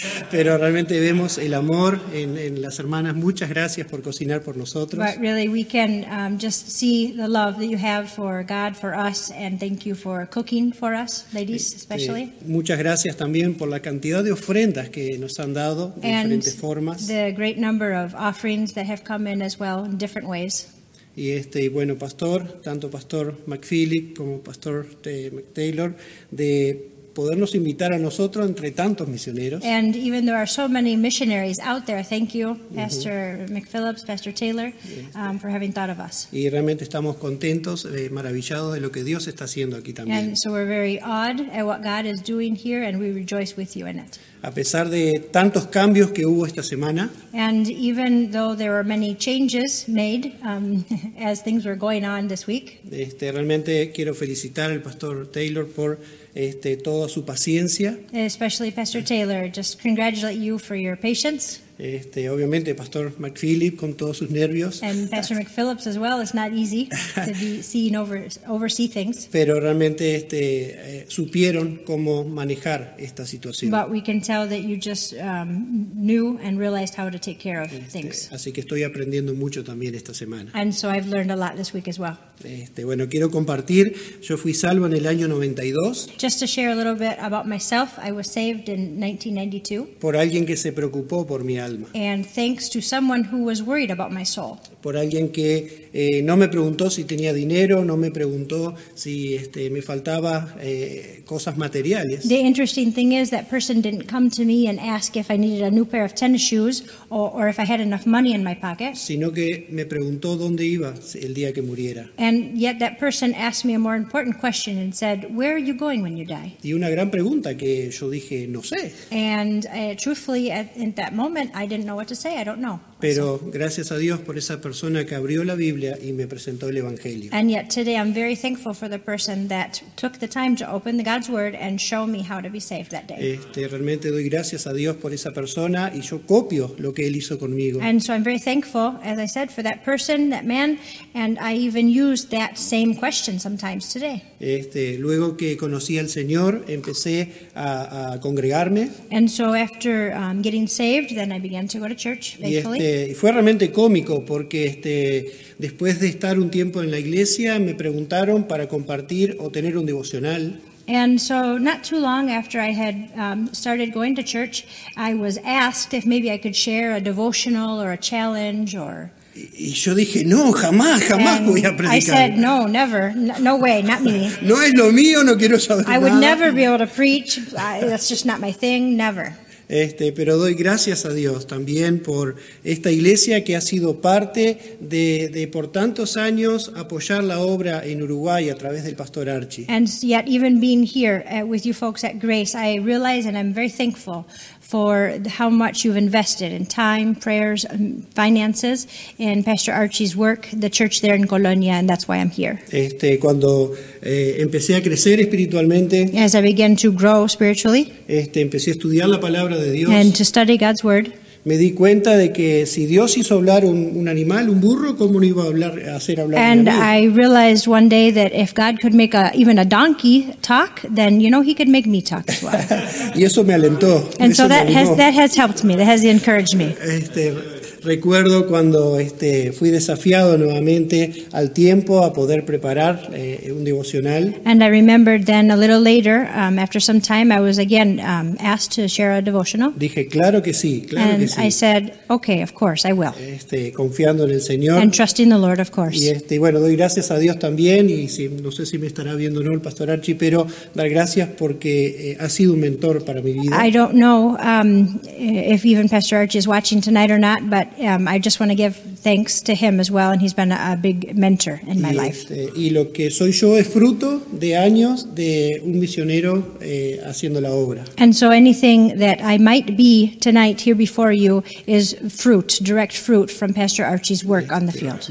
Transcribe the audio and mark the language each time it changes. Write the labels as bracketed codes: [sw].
[es] Pero realmente vemos el amor en las hermanas. Muchas gracias por cocinar por nosotros. [en] But really, we can just see the love that you have for God, for us, and thank you for cooking for us, ladies, especially. [es] Muchas gracias también por la cantidad de ofrendas que nos han dado de [en] and [es] diferentes formas. [en] The great number of offerings that have come in as well in different ways. [es] Y bueno, pastor, tanto pastor McPhillip como pastor McTaylor, de podernos invitar a nosotros entre tantos misioneros. [en] And even there are so many missionaries out there, thank you, Pastor McPhillips, Pastor Taylor, for having thought of us. [es] Y realmente estamos contentos, maravillados de lo que Dios está haciendo aquí también. [en] And so we're very awed at what God is doing here, and we rejoice with you in it. [es] A pesar de tantos cambios que hubo esta semana. [en] And even though there were many changes made as things were going on this week. [es] Realmente quiero felicitar al Pastor Taylor por toda su paciencia. [en] Especially Pastor Taylor, just congratulate you for your patience. [es] Obviamente Pastor McPhillip con todos sus nervios. [en] And Pastor McPhillips as well, it's not easy to be seeing oversee things. [es] Pero realmente supieron cómo manejar esta situación. [en] But we can tell that you just knew and realized how to take care of things. [es] Así que estoy aprendiendo mucho también esta semana. [en] And so I've learned a lot this week as well. [es] Bueno, quiero compartir, yo fui salvo en el año 92. [en] Just to share a little bit about myself, I was saved in 1992. [es] Por alguien que se preocupó por mi alma. alma. [en] And thanks to someone who was worried about my soul. [es] Por alguien que no me preguntó si tenía dinero, no me preguntó si me faltaba cosas materiales. [en] The interesting thing is that person didn't come to me and ask if I needed a new pair of tennis shoes or if I had enough money in my pocket. [es] Sino que me preguntó dónde iba el día que muriera. [en] And yet that person asked me a more important question and said, "Where are you going when you die?" [es] Y una gran pregunta que yo dije, no sé. [en] And truthfully, at that moment, I didn't know what to say. I don't know. [es] Pero gracias a Dios por esa persona que abrió la Biblia y me presentó el Evangelio. [en] And yet today I'm very thankful for the person that took the time to open the God's Word and show me how to be saved that day. [es] Realmente doy gracias a Dios por esa persona y yo copio lo que él hizo conmigo. [en] And so I'm very thankful, as I said, for that person, that man, and I even use that same question sometimes today. [es] Luego que conocí al Señor, empecé a congregarme. [en] And so after getting saved, then I began to go to church, thankfully. [es] Fue realmente cómico porque después de estar un tiempo en la iglesia me preguntaron para compartir o tener un devocional. [en] And so not too long after I had started going to church, I was asked if maybe I could share a devotional or a challenge or... [es] Y yo dije, no, jamás [en] and [es] voy a predicar. [en] I said, no, never, no way, not me. [es] No es lo mío, no quiero saber [en] I [es] nada. [en] I would never be able to preach, that's just not my thing, never. [es] Pero doy gracias a Dios también por esta iglesia que ha sido parte de por tantos años apoyar la obra en Uruguay a través del Pastor Archie. [en] And yet even being here with you folks at Grace, I realize and I'm very thankful for how much you've invested in time, prayers, finances in Pastor Archie's work, the church there in Colonia, and that's why I'm here. [es] Cuando empecé a crecer espiritualmente, [en] as I began to grow spiritually, [es] empecé a estudiar la palabra de Dios, [en] and to study God's word, [es] me di cuenta de que si Dios hizo hablar un animal, un burro, ¿cómo no iba a hablar, hacer hablar a mí? [en] And I realized one day that if God could make even a donkey talk, then you know he could make me talk as well. [es] Y eso me alentó. [en] And so that has helped me. That has encouraged me. [es] Recuerdo cuando fui desafiado nuevamente al tiempo a poder preparar un devocional. [en] And I remembered then a little later, after some time, I was again asked to share a devotional. [es] Dije, claro que sí, claro [en] and [es] que sí. [en] And I said, okay, of course, I will. [es] Confiando en el Señor. [en] And trusting the Lord, of course. [es] Y bueno, doy gracias a Dios también, y si, no sé si me estará viendo o no el Pastor Archie, pero dar gracias porque ha sido un mentor para mi vida. [en] I don't know if even Pastor Archie is watching tonight or not, but I just want to give thanks to him as well, and he's been a big mentor in my life. [es] Y lo que soy yo es fruto de años de un misionero haciendo la obra. [en] And so anything that I might be tonight here before you is fruit, direct fruit from Pastor Archie's work on the field.